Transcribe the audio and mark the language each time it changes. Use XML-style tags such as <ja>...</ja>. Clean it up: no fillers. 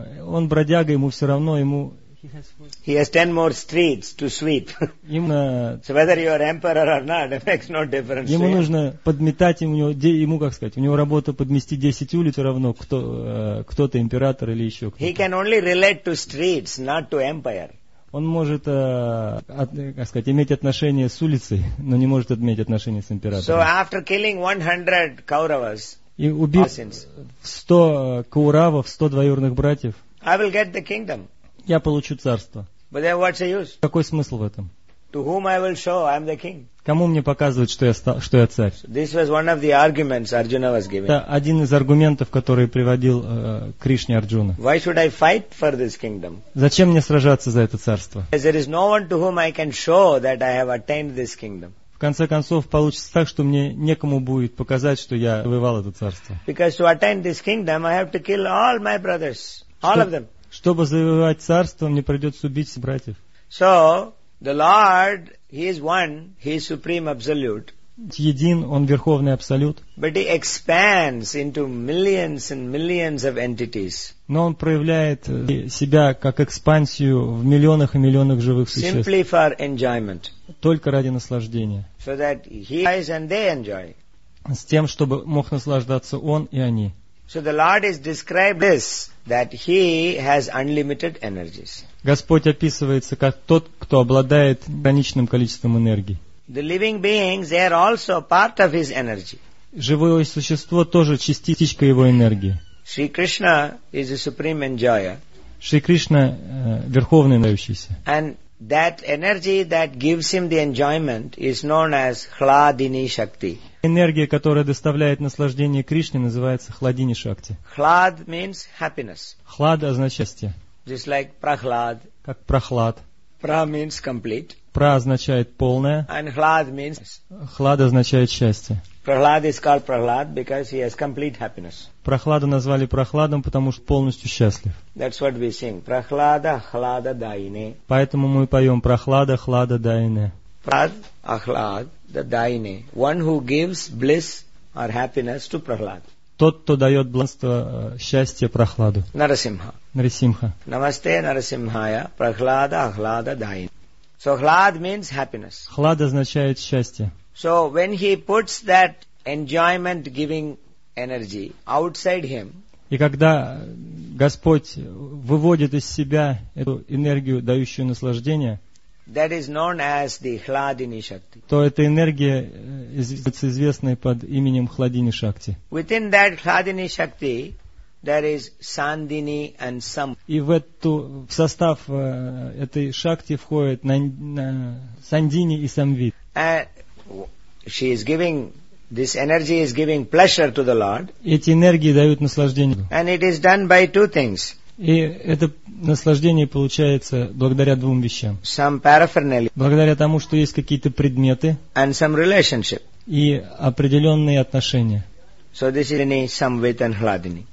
<ru>Он бродяга, ему все равно, ему...</ru> <en>He has 10 more streets to sweep. So whether you are emperor or not, it makes no difference.</en> <ru>Ему нужно подметать, ему как сказать, у него работа подмести 10 улиц, равно кто-то император или еще кто-то.</ru> <en>He can only relate to streets, not to empire.</en> <ru>Он может, как сказать, иметь отношение с улицей, но не может иметь отношение с императором.</ru> <en>So after killing 100 Kauravas,</en> <ru>и убив 100 Кауравов, 100 двоюродных братьев,</ru> <en>I will get the kingdom.</en> <ru>Я получу царство.</ru> <en>But then what's the use?</en> <ru>Какой смысл в этом?</ru> <en>To whom I will show I'm the king.</en> <ru>Кому мне показывать, что я царь?</ru> <en>So this was one of the arguments Arjuna was giving.</en> <ru>Это один из аргументов, который приводил Кришне Арджуна.</ru> <en>Why should I fight for this kingdom?</en> <ru>Зачем мне сражаться за это царство?</ru> <en>Because there is no one to whom I can show that I have attained this kingdom.</en> <ru>В конце концов, получится так, что мне некому будет показать, что я завоевал это царство.</ru> <en>Because to attain this kingdom, I have to kill all my brothers, all of them.</en> <ru>Чтобы завоевать царство, мне придется убить братьев.</ru> <en>So, the Lord, He is one, He is supreme absolute.</en> <ru>Един, Он верховный абсолют.</ru> <en>But He expands into millions and millions of entities.</en> <ru>Но Он проявляет себя как экспансию в миллионах и миллионах живых существ.</ru> <en>Simply for enjoyment.</en> <ru>Только ради наслаждения.</ru> <en>So that He enjoys and they enjoy.</en> <ru>С тем, чтобы мог наслаждаться Он и они.</ru> <en>So the Lord is described this, that He has unlimited energies.</en> <ru>Господь описывается как тот, кто обладает ограниченным количеством энергии.</ru> <en>The living beings, they are also part of His energy.</en> <ru>Живое существо тоже частичка Его энергии.</ru> <en>Shri Krishna is a supreme enjoyer.</en> <ru>Шри Кришна верховный нравящийся.</ru> <en>And that energy that gives Him the enjoyment is known as Hladini Shakti.</en> <ru>Энергия, которая доставляет наслаждение Кришне, называется Хладини Шакти.</ru> <en>Хлад means happiness.</en> <ru>Хлад означает счастье.</ru> <en>Just like прохлад.</en> <ru>Как прохлад.</ru> <en>Пра means complete.</en> <ru>Пра означает полное.</ru> <en>And хлад means.</en> <ru>Хлад означает счастье.</ru> <en>Прохлад is called прохлад because he has complete happiness.</en> <ru>Прохлада назвали прохладом, потому что полностью счастлив.</ru> <en>That's what we sing.</en> <sa>Прохлада, хлада, дайне.</sa> <ru>Поэтому мы поем</ru> <sa>прохлада, хлада, дайне. Прад, ахлад, the дайне.</sa> <en>One who gives bliss or happiness to прохлад.</en> <ru>Тот, кто дает блаженство, счастье, прохладу.</ru> <sa>Нарасимха.</sa> <ru>Нарасимха.</ru> <sa>Намасте, Нарасимхая, прохлада, ахлада, дайне.</sa> <en>So хлад means happiness.</en> <ru>Хлад означает счастье.</ru> <en>So when he puts that enjoyment giving energy outside him.</en> <ru>И когда Господь выводит из себя эту энергию, дающую наслаждение.</ru> <en>That is known as the Hladini Shakti.</en> <ru>То эта энергия является известной под именем Хладини Шакти.</ru> <en>Within that Hladini Shakti, there is Sandini and Sam.</en> <ru>И в эту в состав этой шакти входит Сандини и Самвит.</ru> <en>She is giving this energy is giving pleasure to the Lord.</en> <ru>Эти энергии дают наслаждение.</ru> <en>And it is done by two things.</en> <ru>И это наслаждение получается благодаря двум вещам.</ru> <en>Some paraphernalia.</en> <ru>Благодаря тому, что есть какие-то предметы.</ru> <en>And some relationship.</en> <ru>И определенные отношения.</ru> <en>So this is only Samvit and Hladini.</en>